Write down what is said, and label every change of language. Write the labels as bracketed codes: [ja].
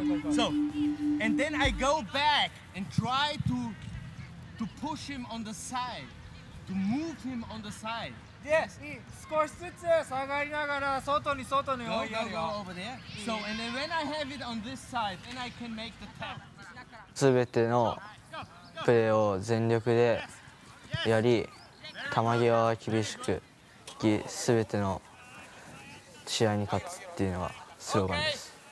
[en] So, and then I go back and try to push him on the side, to move him on the side. Yes, [ja] 少しずつ下がりながら外に [en] go, go, go over there. So, and then when I have it on this side, then I can make the tap. [ja] 全てのプレーを全力でやり、球際は厳しく引き、全ての試合に勝つっていうのがスローガンです。